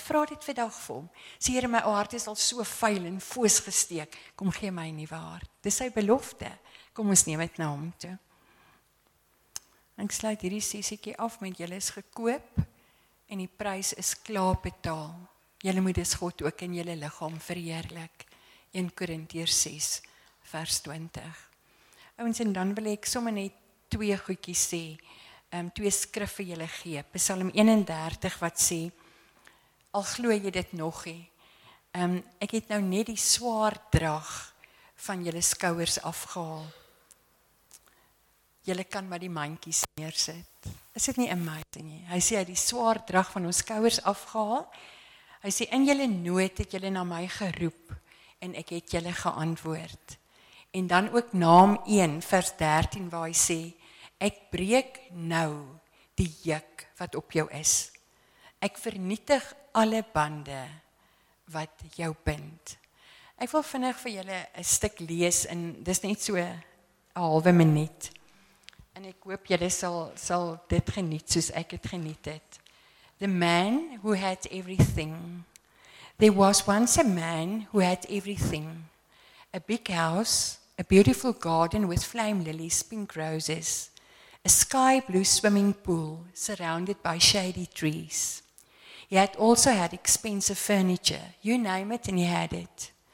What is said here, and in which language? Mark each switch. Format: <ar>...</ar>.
<af>Vra dit vandag vir hom. Sê Here, my hart is al so vuil en foos gesteek. Kom gee my 'n nuwe hart. Dis sy belofte. Kom ons neem dit na hom toe. Ek sluit hierdie sessietjie af met julle is gekoop en die prys is klaar betaal. Julle moet dus God ook in julle liggaam verheerlik. 1 Korintiërs 6 vers 20. Ouens, en dan wil ek sommer net twee goedjies sê. Twee skrifte julle gee. Psalm 31 wat sê: al glo jy dit nog nie. Ek het nou net die swaar drag van julle skouers afgehaal. Julle kan maar die mandjies neersit. Is dit nie amazing nie? Hy sê hy het die swaar drag van ons skouers afgehaal. Hy sê in julle nood het julle na my geroep en ek het julle geantwoord. En dan ook Naam 1 vers 13 waar hy sê: ek breek nou die juk wat op jou is. Ek vernietig alle bande wat jou bind. Ek wil vinnig vir julle 'n stuk lees en dis net so 'n halwe minuut. En ek hoop julle sal dit geniet soos ek het geniet het.</af> <en>The man who had everything. There was once a man who had everything. A big house, a beautiful garden with flame lilies, pink roses, a sky blue swimming pool surrounded by shady trees. He had also had expensive furniture. You name it and he had it.</en>